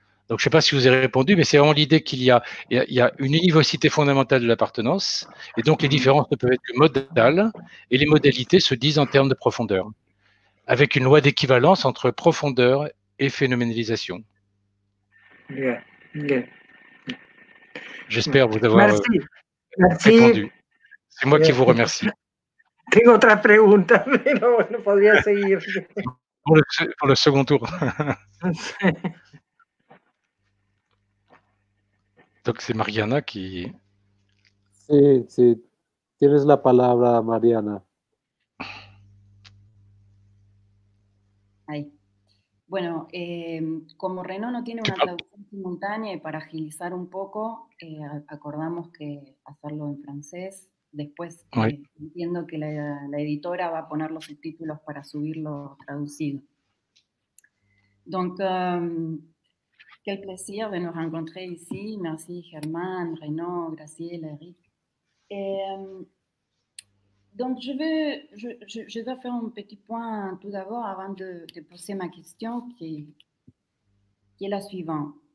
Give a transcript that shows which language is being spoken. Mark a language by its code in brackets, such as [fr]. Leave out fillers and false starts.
[fr] Donc, je ne sais pas si vous avez répondu, mais c'est vraiment l'idée qu'il y a, une univocité fondamentale de l'appartenance, et donc les différences ne peuvent être que modales, et les modalités se disent en termes de profondeur, avec une loi d'équivalence entre profondeur et phénoménalisation. J'espère vous avoir répondu. C'est moi qui vous remercie. [es] Tengo otra pregunta, pero no podría seguir. Por el segundo turno. Entonces, es Mariana que... Sí, sí. Tienes la palabra, Mariana. Ahí. Bueno, como Renault no tiene una traducción simultánea, y para agilizar un poco, acordamos que hacerlo en francés. Después entiendo que la editora va a poner los subtítulos para subirlo traducido. [fr] Donc, quel plaisir de nous rencontrer ici. Merci Germaine, Renaud, Graciela, Eric. Donc, je vais faire un petit point tout d'abord avant de poser ma question qui est la suivante.